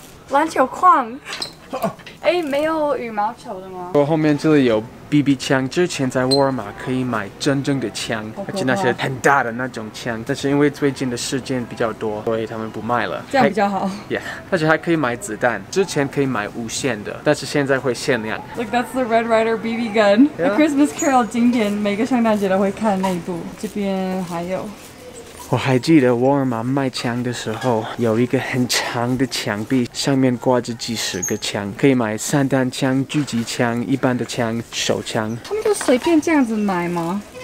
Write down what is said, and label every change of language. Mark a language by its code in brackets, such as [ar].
[zh] 篮球框。哎，没有羽毛球的吗？我后面这里有 BB 枪，之前在沃尔玛可以买真正的枪，而且那些很大的那种枪，但是因为最近的事件比较多，所以他们不卖了。这样比较好。 Yeah， 而且还可以买子弹，之前可以买无限的，但是现在会限量。 [en] Look， that's the Red Ryder BB gun， a、yeah. [zh] Christmas Carol 经典，每个圣诞节都会看那一部。这边还有。我还记得沃尔玛卖枪的时候，有一个很长的墙壁，上面挂着几十个枪，可以买散弹枪、狙击枪、一般的枪、手枪。他们就随便这样子买吗？